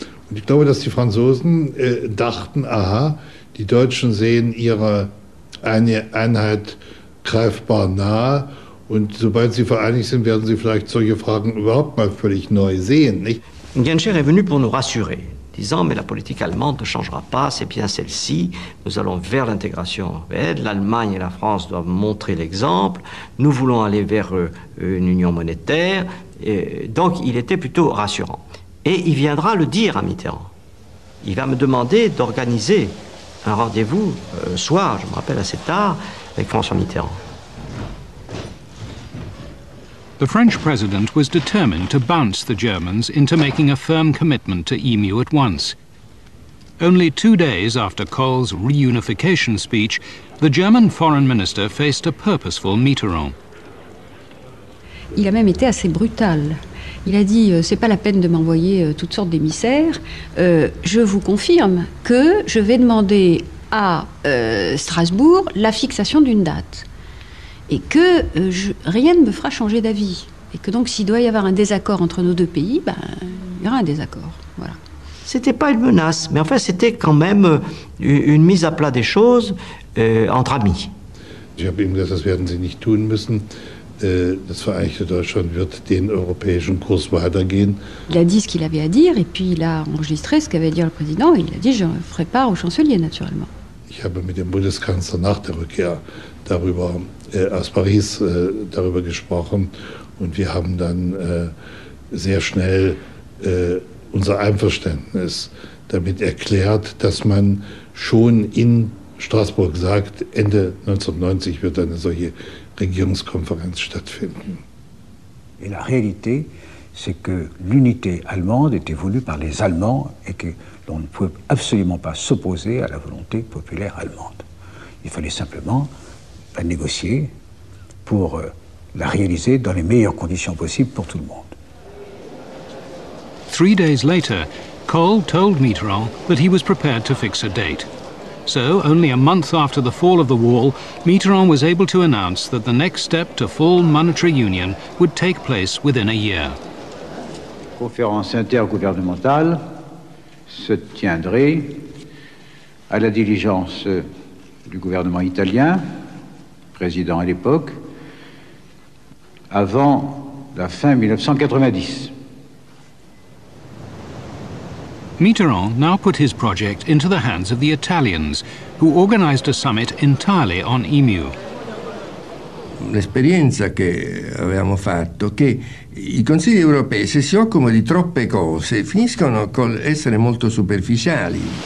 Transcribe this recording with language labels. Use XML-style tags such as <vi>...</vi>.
<de>Und ich glaube, dass die Franzosen dachten, aha, die Deutschen sehen ihre Einheit greifbar nahe und sobald sie vereinigt sind, werden sie vielleicht solche Fragen überhaupt mal völlig neu sehen, nicht?</de> <fr>Genscher est venu pour nous rassurer. Disant, mais la politique allemande ne changera pas, c'est bien celle-ci. Nous allons vers l'intégration européenne. L'Allemagne et la France doivent montrer l'exemple. Nous voulons aller vers une union monétaire. Et donc, il était plutôt rassurant. Et il viendra le dire à Mitterrand. Il va me demander d'organiser un rendez-vous, soir, je me rappelle assez tard, avec François Mitterrand.</fr> <en>The French president was determined to bounce the Germans into making a firm commitment to EMU at once. Only 2 days after Kohl's reunification speech, the German foreign minister faced a purposeful Mitterrand.</en> <fr>Il a même été assez brutal. Il a dit, c'est pas la peine de m'envoyer toutes sortes d'émissaires. Je vous confirme que je vais demander à Strasbourg la fixation d'une date. Et que rien ne me fera changer d'avis. Et que donc, s'il doit y avoir un désaccord entre nos deux pays, ben, il y aura un désaccord. Voilà. C'était pas une menace, mais en fait, c'était quand même une mise à plat des choses entre amis. Ich habe ihm gesagt, das werden Sie nicht tun müssen. Das Vereinigte Deutschland wird den europäischen Kurs weitergehen. Il a dit ce qu'il avait à dire, et puis il a enregistré ce qu'avait à dire le président. Il a dit, je ferai part au chancelier, naturellement. Ich habe mit dem Bundeskanzler nach der Rückkehr darüber aus Paris darüber gesprochen und wir haben dann sehr schnell unser Einverständnis damit erklärt, dass man schon in Straßburg sagt, Ende 1990 wird eine solche Regierungskonferenz stattfinden. Et la réalité, c'est que l'unité allemande était voulue par les Allemands et que l'on ne pouvait absolument pas s'opposer à la volonté populaire allemande. Il fallait simplement à négocier pour la réaliser dans les meilleures conditions possibles pour tout le monde.</fr> <en>3 days later, Kohl told Mitterrand that he was prepared to fix a date. So, only a month after the fall of the wall, Mitterrand was able to announce that the next step to full monetary union would take place within a year.</en> <fr>Conférence intergouvernementale se tiendrait à la diligence du gouvernement italien. Président à l'époque, avant la fin 1990.</fr> <en>Mitterrand now put his project into the hands of the Italians, who organized a summit entirely on EMU.</en> <it>L'esperienza che avevamo fatto che i consigli europei, se si occupano di troppe cose, finiscono col essere molto superficiali.</it>